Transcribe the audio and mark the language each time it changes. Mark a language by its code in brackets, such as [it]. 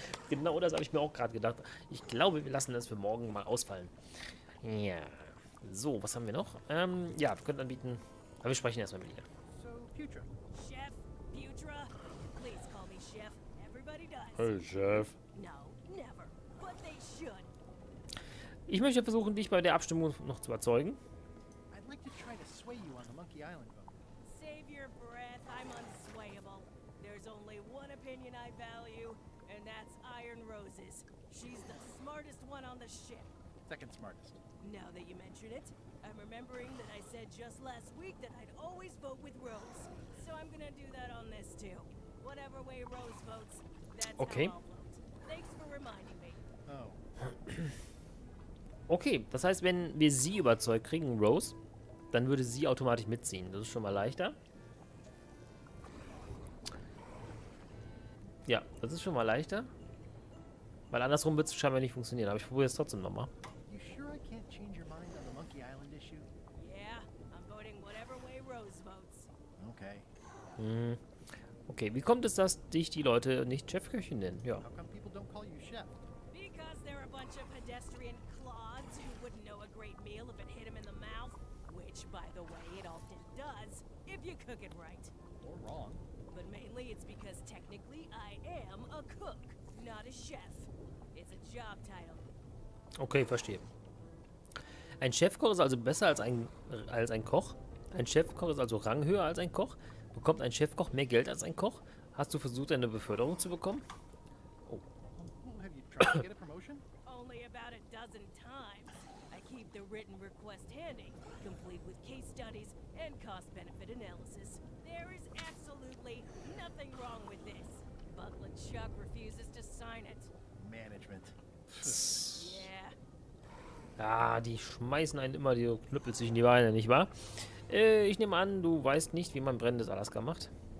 [de] genau das habe ich mir auch gerade gedacht. Ich glaube, wir lassen das für morgen mal ausfallen. Ja. So, was haben wir noch? Ja, wir könnten anbieten. Aber wir sprechen erstmal mit ihr. So, Putra. [en] Chef, Putra. Please call me Chef. Everybody does. Hey, Chef. No, never. But they should. Ich möchte versuchen, dich bei der Abstimmung noch zu überzeugen. I'd like to try to sway you on the Monkey Island. Save your breath, I'm unswayable. There's only one opinion I value, and that's Iron Roses. She's the smartest one on the ship. Second smartest. Now that you mention it, I'm remembering that I said just last week that I'd always vote with Rose. So I'm gonna do that on this too. Whatever way Rose votes, that's okay. How I'll vote. Thanks for reminding me. Oh. [de] Okay, das heißt, wenn wir sie überzeugt kriegen, Rose, dann würde sie automatisch mitziehen. Das ist schon mal leichter. Ja, das ist schon mal leichter. Weil andersrum wird es scheinbar nicht funktionieren. Aber ich probiere es trotzdem nochmal. [en] You sure I can't change your mind on the Monkey Island issue? Yeah, I'm voting whatever way Rose votes. Okay. [de] Okay, wie kommt es, dass dich die Leute nicht Chefköchin nennen? Ja. [en] How come people don't call you chef? Because they're a bunch of pedestrian clods who wouldn't know a great meal if it hit them in the mouth. Which, by the way, it often does, if you cook it right. Or wrong. But mainly it's because technically I am a cook, not a chef. It's a job title. [de] Okay, verstehe. Ein Chefkoch ist also besser als ein Koch. Ein Chefkoch ist also Rang höher als ein Koch. Bekommt ein Chefkoch mehr Geld als ein Koch? Hast du versucht, eine Beförderung zu bekommen? [en] Oh. Have you tried to get a promotion? Only about a dozen times. I keep the written request handy, complete with case studies and cost-benefit analysis. There is absolutely nothing wrong with this. But LeChuck refuses to sign it. Management. Yeah. [de] Ah, die schmeißen einen immer die Knüppel zwischen die Beine, nicht wahr? Ich nehme an, du weißt nicht, wie man brennendes Alaska macht.